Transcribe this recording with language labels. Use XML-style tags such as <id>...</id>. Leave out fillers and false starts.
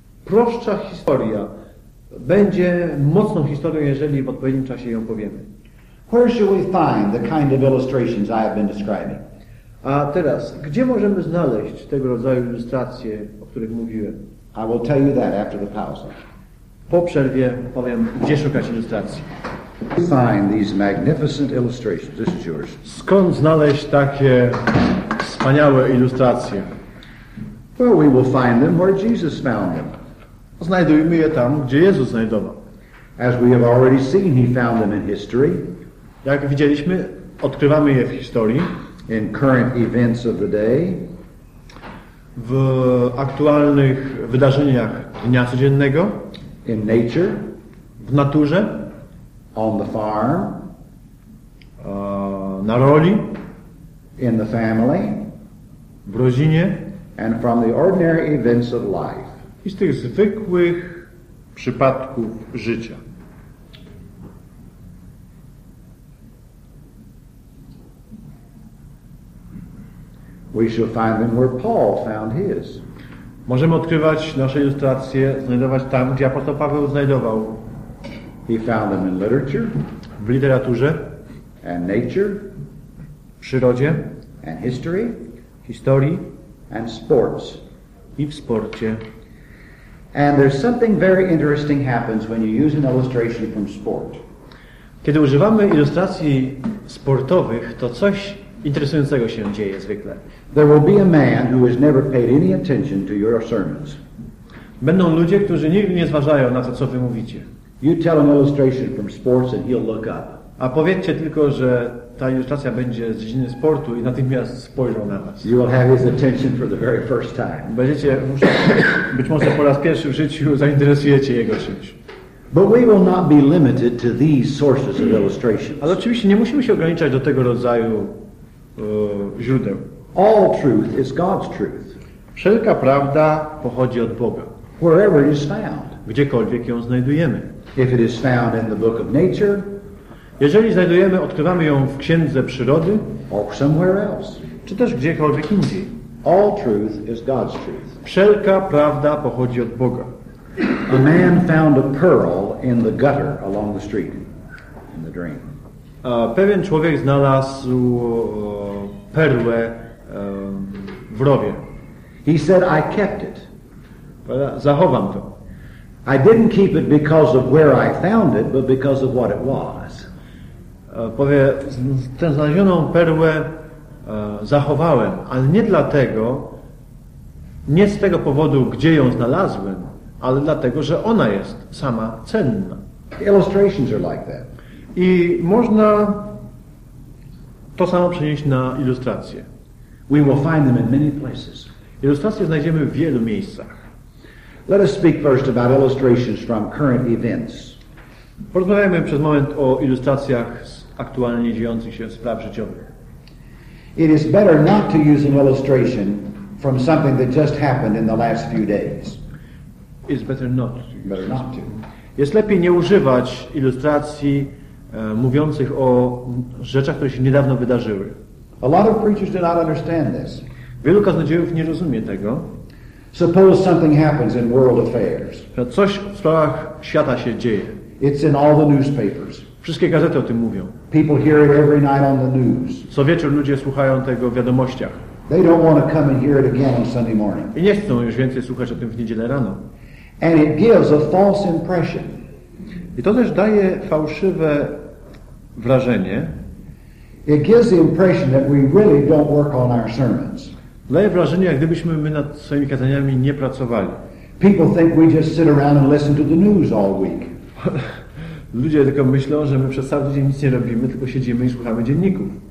<pl>Najprostsza historia będzie mocną historią, jeżeli w odpowiednim czasie ją powiemy.</pl> <en>Where shall we find the kind of illustrations I have been describing?</en> <pl>A teraz, gdzie możemy znaleźć tego rodzaju ilustracje, o których mówiłem?</pl> <en>I will tell you that after the pause.</en> <pl>Po przerwie powiem, gdzie szukać ilustracji.</pl> <en>Find these magnificent illustrations. This is yours.</en> <pl>Skąd znaleźć takie wspaniałe ilustracje?</pl> <en>Well, we will find them where Jesus found them.</en> <pl>Znajdujmy je tam, gdzie Jezus znajdował.</pl> <en>As we have already seen, he found them in history.</en> <pl>Jak widzieliśmy, odkrywamy je w historii.</pl> <en>In current events of the day.</en> <pl>W aktualnych wydarzeniach dnia codziennego.</pl> <en>In nature.</en> <pl>W naturze.</pl> <en>On the farm.</en> <pl>Na roli.</pl> <en>In the family.</en> <pl>W rodzinie.</pl> <en>And from the ordinary events of life.</en> <pl>I z tych zwykłych przypadków życia.</pl> <en>We shall find them where Paul found his.</en> <pl>Możemy odkrywać nasze ilustracje, znajdować tam, gdzie apostoł Paweł znajdował.</pl> <en>He found them in literature.</en> <pl>W literaturze.</pl> <en>And nature.</en> <pl>W przyrodzie.</pl> <en>And history.</en> <pl>W historii.</pl> <en>And sports.</en> <pl>I w sporcie.</pl> <en>And there's something very interesting happens when you use an illustration from sport.</en> <pl>Kiedy używamy ilustracji sportowych, to coś interesującego się dzieje zwykle.</pl> <en>There will be a man who has never paid any attention to your sermons.</en> <pl>Będą ludzie, którzy nigdy nie zważają na to, co wy mówicie.</pl> <en>You tell an illustration from sports and he'll look up.</en> <pl>A powiedzcie tylko, że ta ilustracja będzie z dziedziny sportu i natychmiast spojrzą na was.</pl> <en>You will have his attention for the very first time.</en> <pl>Będziecie, być może po raz pierwszy w życiu zainteresujecie jego czymś.</pl> <en>But we will not be limited to these sources of illustrations.</en> <pl>Ale oczywiście nie musimy się ograniczać do tego rodzaju źródeł.</pl> <en>All truth is God's truth.</en> <pl>Wszelka prawda pochodzi od Boga.</pl> <en>Wherever it is found.</en> <pl>Gdziekolwiek ją znajdujemy.</pl> <en>If it is found in the book of nature.</en> <pl>Jeżeli znajdujemy, odkrywamy ją w księdze przyrody.</pl> <en>Or somewhere else.</en> <pl>Czy też gdziekolwiek indziej.</pl> <en>All truth is God's truth.</en> <pl>Wszelka prawda pochodzi od Boga.</pl> <en>A man found a pearl in the gutter along the street. In the drain.</en> <pl>Pewien człowiek znalazł perłę w rowie.</pl> <en>He said, I kept it.</en> <pl>Zachowam to.</pl> <en>I didn't keep it because of where I found it, but because of what it was.</en> <pl>Powie, tę znalezioną perłę zachowałem, ale nie dlatego, nie z tego powodu, gdzie ją znalazłem, ale dlatego, że ona jest sama cenna.</pl> <en>The illustrations are like that.</en> <pl>I można to samo przenieść na ilustracje.</pl> <en>We will find them in many places.</en> <pl>Ilustracje znajdziemy w wielu miejscach.</pl> <en>Let us speak first about illustrations from current events.</en> <pl>Porozmawiajmy przez moment o ilustracjach z aktualnie dziejących się spraw życiowych.</pl> <en>It is better not to use an illustration from something that just happened in the last few days. It's better not. Better not to.</en> <pl>Jest lepiej nie używać ilustracji mówiących o rzeczach, które się niedawno wydarzyły.</pl> <en>A lot of preachers do not understand this.</en> <pl>Wielu kaznodziejów nie rozumie tego.</pl> <en>Suppose something happens in world affairs.</en> <pl>Coś w sprawach świata się dzieje.</pl> <en>It's in all the newspapers.</en> <pl>Wszystkie gazety o tym mówią.</pl> <en>People hear it every night on the news.</en> <pl>Co wieczór ludzie słuchają tego w wiadomościach.</pl> <en>They don't want to come and hear it again on Sunday morning.</en> <pl>I nie chcą już więcej słuchać o tym w niedzielę rano.</pl> <en>And it gives a false impression.</en> <pl>I to też daje fałszywe wrażenie.</pl> <en>It gives the impression that we really don't work on our sermons.</en> <pl>Daje wrażenie, jak gdybyśmy my nad swoimi kazaniami nie pracowali.</pl> <en>People think we just sit around and listen to the news all week.</en> <pl>Ludzie tylko myślą, że my przez cały dzień nic nie robimy, tylko siedzimy i słuchamy dzienników.</pl>